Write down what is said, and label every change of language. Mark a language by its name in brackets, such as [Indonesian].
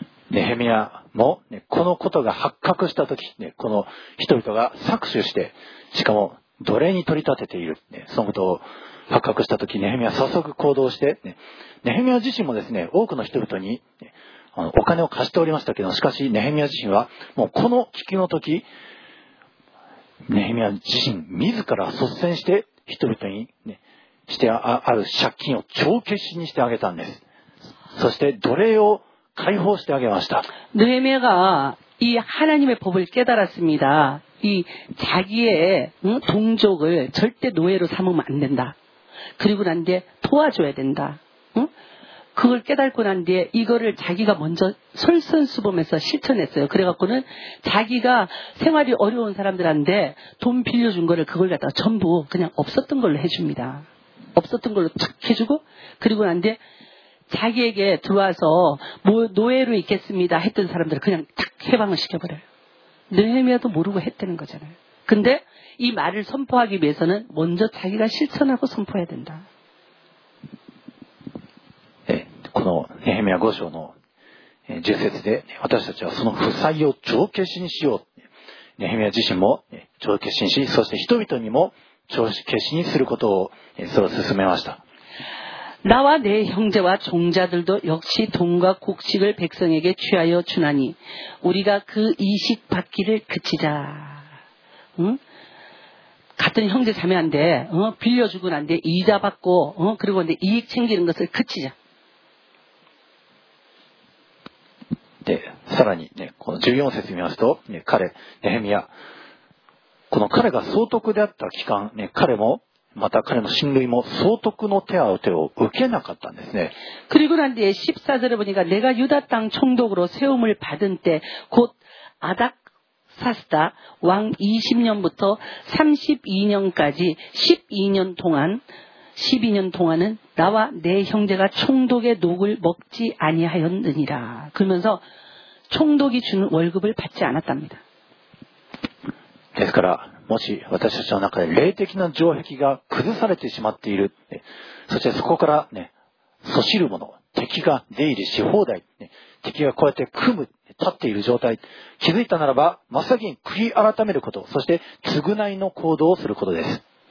[Japanese] ネヘミヤも、ね、このことが発覚したとき、ね、この人々が搾取して、しかも奴隷に取り立てている、ね、そのことを発覚したとき、ネヘミヤは早速行動して、ね、ネヘミヤ自身もですね、多くの人々に、ね、お金を貸しておりましたけど、しかしネヘミヤ自身は、もうこの危機のとき、ネヘミヤ自身自ら率先して人々に、ね、してある借金を帳消しにしてあげたんです。そして奴隷を解放してあげました。 [Korean] ネヘミヤが、이하나님의법을깨달았습니다。 이자기의、응、동족을절대노예로삼으면안된다。 그리고난뒤도와줘야된다。 응그걸깨달고난뒤에이거를자기가먼저솔선수범해서실천했어요그래갖고는자기가생활이어려운사람들한테돈빌려준거를그걸갖다가전부그냥없었던걸로해줍니다없었던걸로탁해주고그리고난뒤에자기에게들어와서뭐노예로있겠습니다했던사람들을그냥탁해방을시켜버려요 느헤미야도 모르고 했다는 거잖아요. 근데 이 말을 선포하기 위해서는 먼저 자기가 실천하고 선포해야 된다. 네, 이 느헤미야 5장의 10절에 우리는 그 부사를 정결시키려고 [Japanese] ネヘミヤ自身も帳消しにし、そして人々にも帳消しにすることをそう進めました。 [Korean] 나와내형제와종자들도역시돈과곡식을백성에게취하여주나니우리가그이식받기를그치자응같은형제자매한테빌려주고난데이자받고그리고이익챙기는것을그치자 [Japanese] でさらに、ね、この14節を見ますと、ね、彼ネヘミヤこの彼が総督であった期間、ね、彼もまた彼の親類も総督の手当てを受けなかったんですね。 [Korean] 그리고난뒤에14절을보니까내가유다땅총독으로세움을받은때곧아닥사스다왕20년부터32년까지12년 동안은나와내형제가총독의녹을먹지아니하였느니라그러면서총독이주는월급을받지않았답니다 [Japanese] ですからもし私たちの中で霊的な城壁が崩されてしまっているそしてそこからねそしるもの敵が出入りし放題敵がこうやって組む立っている状態気づいたならば真っ先に悔い改めることそして償いの行動をすることです